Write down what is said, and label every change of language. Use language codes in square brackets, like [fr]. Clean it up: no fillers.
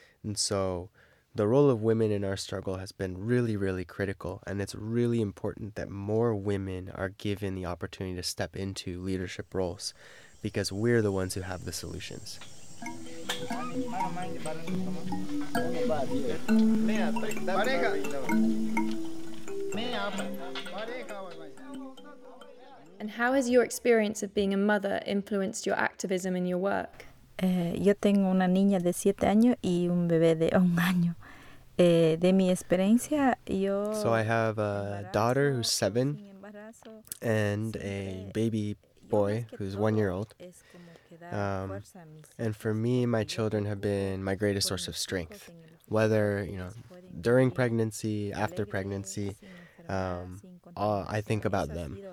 [en] And so the role of women in our struggle has been really, really critical, and it's really important that more women are given the opportunity to step into leadership roles, because we're the ones who have the solutions. And how has your experience of being a mother influenced your activism and your work? [es] Yo tengo una niña de 7 años y un bebé de 1 año. De mi experiencia, yo... [en] So I have a daughter who's 7 and a baby boy who's 1 year old. And for me, my children have been my greatest source of strength. Whether, you know, during pregnancy, after pregnancy, I think about them.